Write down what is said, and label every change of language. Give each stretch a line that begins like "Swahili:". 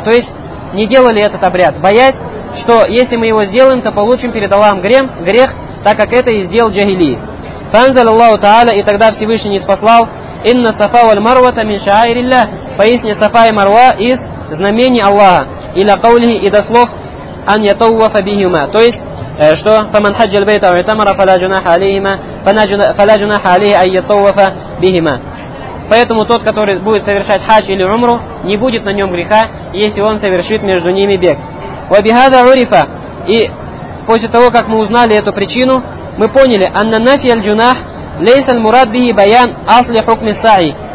Russian: То есть, не делали этот обряд, боясь, что если мы его сделаем, то получим перед Аллахом грех, так как это и сделал джахилии. «Фанзал Аллаху Та'аля, и тогда Всевышний ниспослал, «Инна Сафа валь Марвата мин шаайрилля, поясни Сафа и Марва из знамений Аллаха, иля каулихи и до слов ан ятауа фабихима». То есть, что
Arabic: فمن حج البيت او اعتمر فلا جناح عليهما فلا جناح عليه ان يطوف بهما.
Russian: Поэтому тот, который будет совершать хадж или умру, не будет на нем греха, если он совершит между ними бег.
Arabic: وبهذا عرف.
Russian: И после того, как мы узнали эту причину, мы поняли,
Arabic: ان نفي الجناح ليس المراد به بيان اصل حكم السعي.